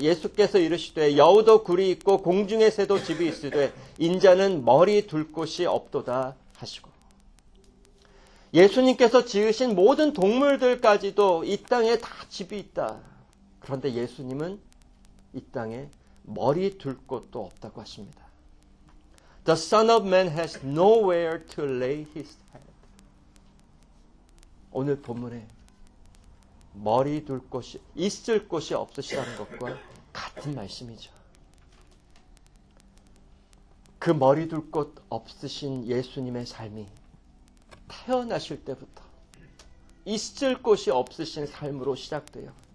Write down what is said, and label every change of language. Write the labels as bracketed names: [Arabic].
[Korean] 예수께서 이르시되 여우도 굴이 있고 공중의 새도 집이 있으되 인자는 머리 둘 곳이 없도다 하시고, 예수님께서 지으신 모든 동물들까지도 이 땅에 다 집이 있다. 그런데 예수님은 이 땅에 머리 둘 곳도 없다고 하십니다. [English] The Son of Man has nowhere to lay his head. [Korean] 오늘 본문에 머리 둘 곳이 있을 곳이 없으시다는 것과 같은 말씀이죠. 그 머리 둘 곳 없으신 예수님의 삶이 태어나실 때부터 있을 곳이 없으신 삶으로 시작돼요.